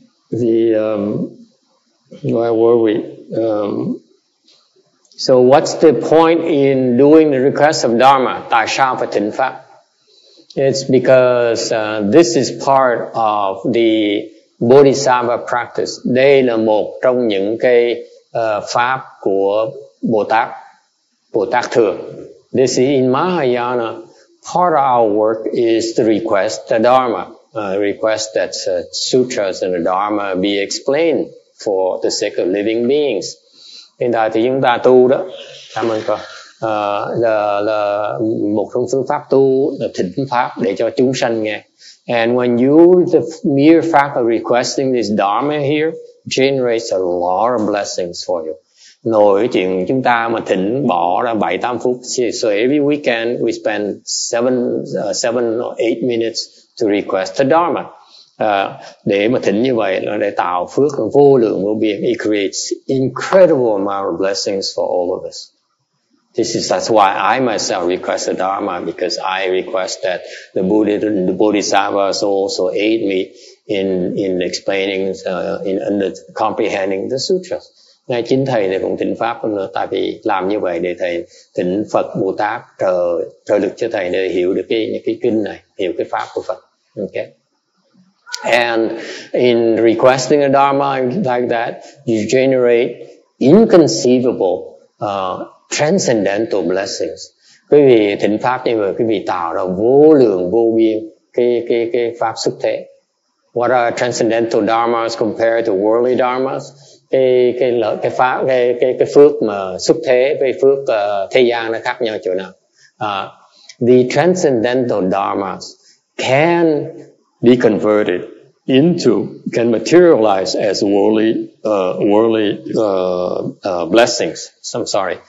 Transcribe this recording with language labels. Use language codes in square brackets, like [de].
[en] Where were we? So what's the point in doing the request of Dharma? [vi] Tại sao phải thỉnh pháp? [en] It's because this is part of the Bodhisattva practice. [vi] Đây là một trong những cái pháp của Bồ Tát thường. [en] This is in Mahayana. Part of our work is to request the Dharma, request that sutras and the Dharma be explained for the sake of living beings. [vi] Hiện tại thì chúng ta tu đó. Cảm ơn con. Là một trong phương pháp tu là thỉnh pháp để cho chúng sanh nghe. [en] And when you the mere fact of requesting this dharma here generates a lot of blessings for you. [vi] Nổi chuyện chúng ta mà thỉnh bỏ ra 7-8 phút. [en] So every weekend we spend 7 or 8 minutes to request the dharma. [vi] Để mà thỉnh như vậy là để tạo phước vô lượng vô biên. [en] It creates incredible amount of blessings for all of us. That's why I myself request the Dharma, because I request that the Bodhisattvas also aid me in explaining, in comprehending the sutras. [vi] Ngay chính thầy thì cũng thỉnh pháp nữa, tại vì làm như vậy để thầy thỉnh Phật Bồ Tát trợ lực cho thầy để hiểu được cái kinh này, hiểu cái pháp của Phật. [en] Okay. And in requesting a Dharma like that, you generate inconceivable transcendental blessings. [vi] Quý vị thỉnh pháp như vậy, quý vị tạo ra vô lượng vô biên cái pháp xuất thế. [en] What are transcendental dharmas compared to worldly dharmas? [vi] Cái phước mà xuất thế với phước thế gian nó khác nhau chỗ nào? [en] The transcendental dharmas can be converted into, can materialize as blessings. I'm sorry.